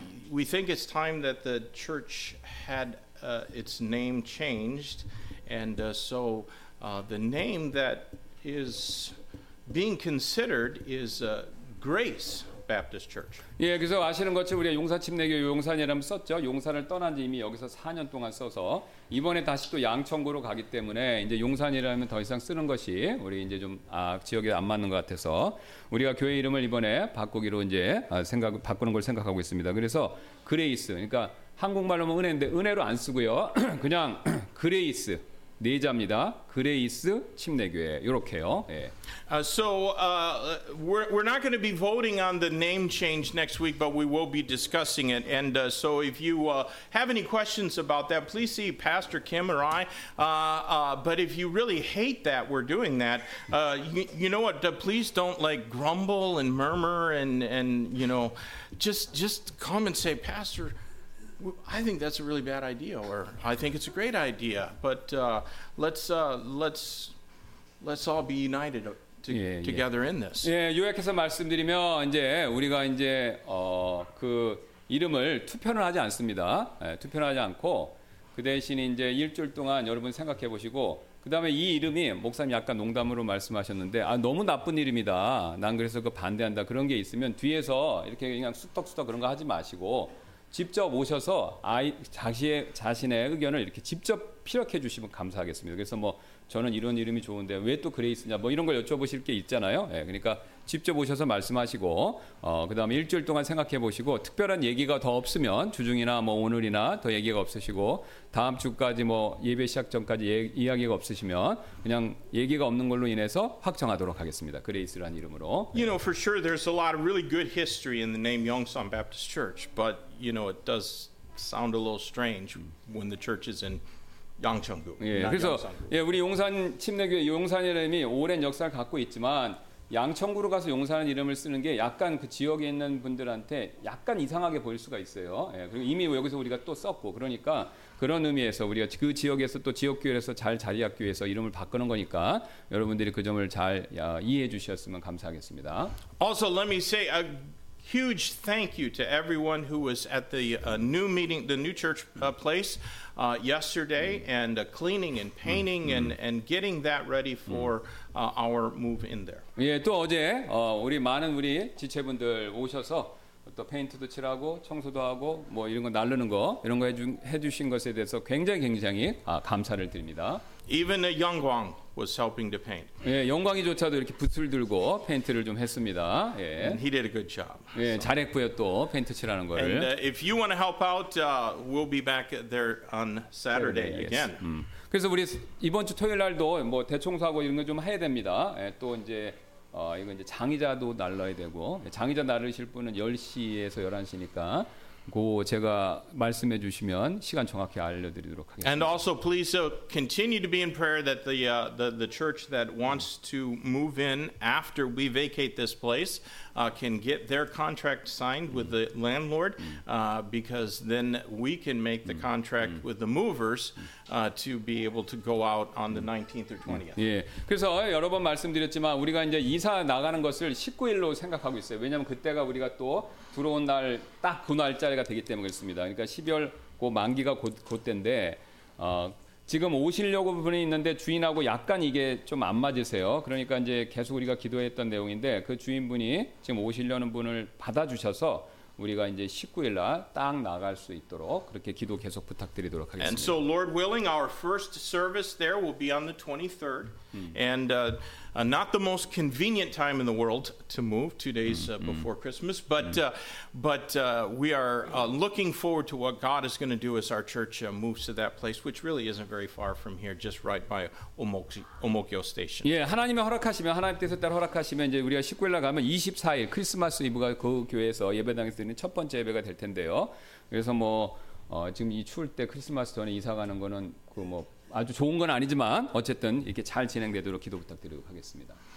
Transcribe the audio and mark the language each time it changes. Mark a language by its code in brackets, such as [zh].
[en] We think it's time that the church had its name changed, and so the name that is being considered is Grace Baptist Church. [ko] 예, 그래서 아시는 것처럼 우리가 용산침례교회 용산이라면 썼죠. 용산을 떠난 지 이미 여기서 4년 동안 써서 이번에 다시 또 양천구로 가기 때문에 이제 용산이라면 더 이상 쓰는 것이 우리 이제 좀 지역에 안 맞는 것 같아서 우리가 교회 이름을 이번에 바꾸기로 이제 바꾸는 걸 생각하고 있습니다. 그래서 그레이스, 그러니까 한국말로 하면 은혜인데 은혜로 안 쓰고요. 그냥 그레이스. 네자입니다. 그레이스 침례교회 이렇게요. 예. [en] So we're not going to be voting on the name change next week, but we will be discussing it. And so if you have any questions about that, please see Pastor Kim or I. But if you really hate that we're doing that, you know what? Please don't like grumble and murmur and you know, just come and say, Pastor. I think that's a really bad idea, or I think it's a great idea. But let's all be united together in this. [ko] 예, 요약해서 말씀드리면 이제 우리가 이제 그 이름을 투표는 하지 않습니다. 예, 투표는 하지 않고 그 대신 이제 일주일 동안 여러분 생각해 보시고 그 다음에 이 이름이 목사님 약간 농담으로 말씀하셨는데 아 너무 나쁜 이름이다. 난 그래서 그 반대한다. 그런 게 있으면 뒤에서 이렇게 그냥 쑥덕쑥덕 그런 거 하지 마시고. 직접 오셔서 자신의 의견을 이렇게 직접 피력해 주시면 감사하겠습니다. 그래서 뭐 저는 이런 이름이 좋은데 왜 또 그레이스냐 뭐 이런 걸 여쭤보실 게 있잖아요. 예, 그러니까 직접 오셔서 말씀하시고 그다음에 일주일 동안 생각해 보시고 특별한 얘기가 더 없으면 주중이나 뭐 오늘이나 더 얘기가 없으시고 다음 주까지 뭐 예배 시작 전까지 이야기가 없으시면 그냥 얘기가 없는 걸로 인해서 확정하도록 하겠습니다. 그레이스라는 이름으로. [en] You know, for sure there's a lot of really good history in the name Yongsan Baptist Church, but you know it does sound a little strange when the church is in Yongchang-gu. [ko] 예, 그래서 예, 우리 용산 침례교회 용산이라는 이름이 오랜 역사를 갖고 있지만 양천구로 가서 용산 이름을 쓰는 게 약간 그 지역에 있는 분들한테 약간 이상하게 보일 수가 있어요. 예, 그리고 이미 여기서 우리가 또 썼고 그러니까 그런 의미에서 우리가 그 지역에서 또 지역교회에서 잘 자리잡기 위해서 이름을 바꾸는 거니까 여러분들이 그 점을 잘 이해해 주셨으면 감사하겠습니다. [en] Also, let me say a huge thank you to everyone who was at the new meeting, the new church place yesterday, and cleaning and painting and getting that ready for our move in there. [ko] 예, 또 어제 우리 많은 우리 지체분들 오셔서 또 페인트도 칠하고 청소도 하고 뭐 이런 거 날르는 거 이런 거 해주신 것에 대해서 굉장히 감사를 드립니다. [en] Even a young Wang was helping to paint. [ko] 예, 영광이조차도 이렇게 붓을 들고 페인트를 좀 했습니다. 예. [en] And he did a good job. [ko] 예, 잘했고요 또 페인트 칠하는 걸. [en] And if you want to help out, we'll be back there on Saturday again. [ko] 그래서 우리 이번 주 토요일 날도 뭐 대청소하고 이런 거 좀 해야 됩니다. 예, 또 이제 이거 이제 장의자도 날라야 되고 장의자 나르실 분은 10시에서 11시니까 고 제가 말씀해 주시면 시간 정확히 알려 드리도록 하겠습니다. [en] And also please continue to be in prayer that the church that wants to move in after we vacate this place can get their contract signed with the landlord because then we can make the contract with the movers to be able to go out on the 19th or 20th. [ko] 예. 그래서 여러 번 말씀드렸지만 우리가 이제 이사 나가는 것을 19일로 생각하고 있어요. 왜냐면 그때가 우리가 또 부러운 날 딱 그 날짜가 되기 때문에 그렇습니다. 그러니까 12월 그 만기가 곧 때인데 지금 오시려고 분이 있는데 주인하고 약간 이게 좀 안 맞으세요. 그러니까 이제 계속 우리가 기도했던 내용인데 그 주인분이 지금 오시려는 분을 받아주셔서 우리가 이제 19일 날 딱 나갈 수 있도록 그렇게 기도 계속 부탁드리도록 하겠습니다. [en] And so Lord willing, our first service there will be on the 23rd. And not the most convenient time in the world to move 2 days before Christmas, we are looking forward to what God is going to do as our church moves to that place, which really isn't very far from here, just right by Omokyo Station. [ko] 예, 하나님의 허락하시면 하나님 뜻에 따라 허락하시면 이제 우리가 19일 가면 24일 크리스마스 이브가 그 교회에서 예배당에서 드리는 첫 번째 예배가 될 텐데요. 그래서 뭐 지금 이 추울 때 크리스마스 전에 이사 가는 거는 그 뭐 아주 좋은 건 아니지만 어쨌든 이렇게 잘 진행되도록 기도 부탁드리도록 하겠습니다.